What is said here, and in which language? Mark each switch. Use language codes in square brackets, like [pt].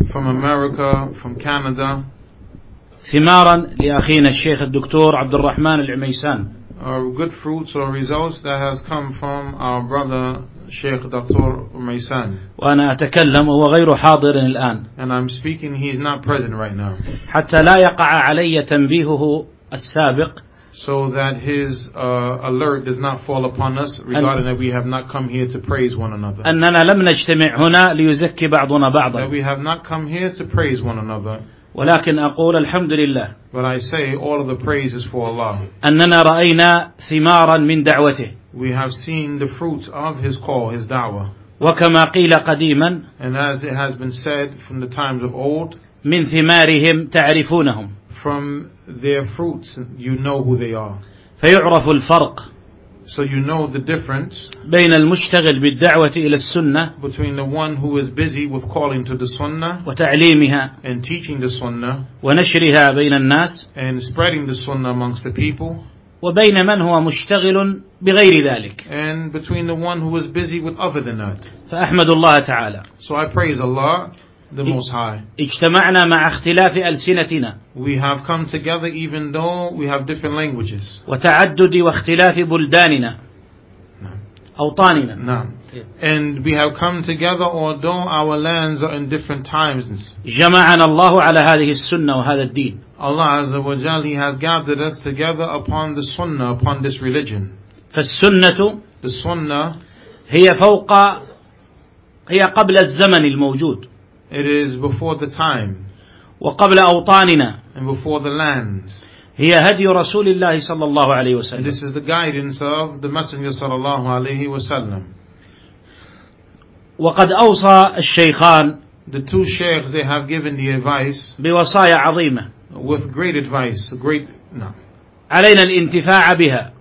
[en] from America, from Canada [ar] ثمارا لأخينا الشيخ الدكتور عبد الرحمن العميسان [en] good fruits or results that has come from our brother Sheikh Dr. Umaysan. [ar] وأنا أتكلم وهو غير حاضر الآن. [en] And I'm speaking, he's not present right now. [ar] حتى لا يقع علي تنبيهه السابق. [en] So that his alert does not fall upon us regarding that we have not come here to praise one another. [ar] أننا لم نجتمع هنا ليزكي بعضنا بعضا. [en] That we have not come here to praise one another. [ar] ولكن أقول الحمد لله. [en] But I say all of the praise is for Allah. [ar] أننا رأينا ثمارا من دعوته. [en] We have seen the fruits of his call, his da'wah. [ar] وكما قيل قديما. [en] And as it has been said from the times of old. [ar] من ثمارهم تعرفونهم. [en] From their fruits, you know who they are. [ar] فيعرف الفرق. [en] So you know the difference. [ar] بين المشتغل بالدعوة إلى السنة. [en] Between the one who is busy with calling to the sunnah. [ar] وتعليمها. [en] And teaching the sunnah. [ar] ونشرها بين الناس. [en] And spreading the sunnah amongst the people. [ar] وبين من هو مشتغل بغير ذلك. [en] And between the one who is busy with other than that. [ar] فأحمد الله تعالى. [en] So I praise Allah, the Most High. [ar] اجتمعنا مع اختلاف ألسنتنا. [en] We have come together even though we have different languages. [ar] وتعدد واختلاف بلداننا. أوطاننا. نعم. [en] And we have come together although our lands are in different times. [ar] جمعنا الله على هذه السنة وهذا الدين. [en] Allah Azza wa Jal, He has gathered us together upon the Sunnah, upon this religion. [ar] فالسنة [en] the Sunnah [ar] هي فوق هي قبل الزمن الموجود. [en] It is before the time. [ar] وقبل أوطاننا. [en] And before the lands. [ar] هي هدي رسول الله صلى الله عليه وسلم. [en] And this is the guidance of the Messenger [ar] صلى الله عليه وسلم. وقد أوصى الشيخان [en] the two sheikhs, they have given the advice [ar] بوصايا عظيمة. [en] With great advice, great. No. [ar] علينا الانتفاع بها.